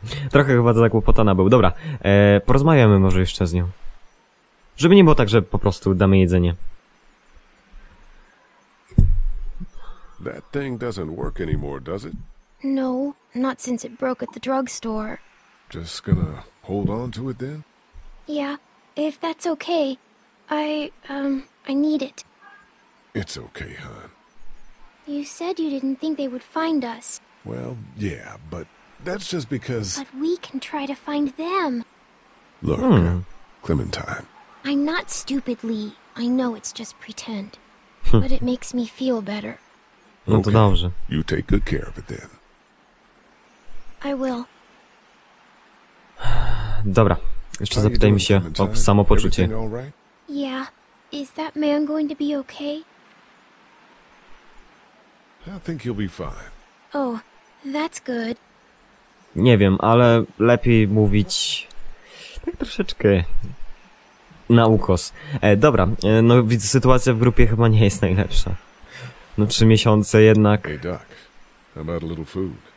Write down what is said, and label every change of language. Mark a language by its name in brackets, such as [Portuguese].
[Polish] Trochę chyba za kłopotana był. Dobra, porozmawiamy może jeszcze z nią. Żeby nie było tak, że po prostu damy jedzenie. [English] That thing doesn't work anymore, does it? No, not since it broke at the drugstore. Just gonna hold on to it then? Yeah, if that's okay. I need it. It's okay, hon. You said you didn't think they would find us. Well, yeah, but that's just because... But we can try to find them. Look, Clementine. I'm not stupid, Lee. I know it's just pretend. But it makes me feel better. [Polish] No to dobrze. [English] You take good care of it then. I will. [Polish] Dobra, jeszcze zapytajmy się o samopoczucie. [English] Yeah, is that man going to be okay? I think he'll be fine. Oh, that's good. [Polish] Nie wiem, ale lepiej mówić tak troszeczkę na ukos. Dobra, no widzę, sytuacja w grupie chyba nie jest najlepsza. No 3 miesiące jednak. [English] Hey, Doc, how about a little food?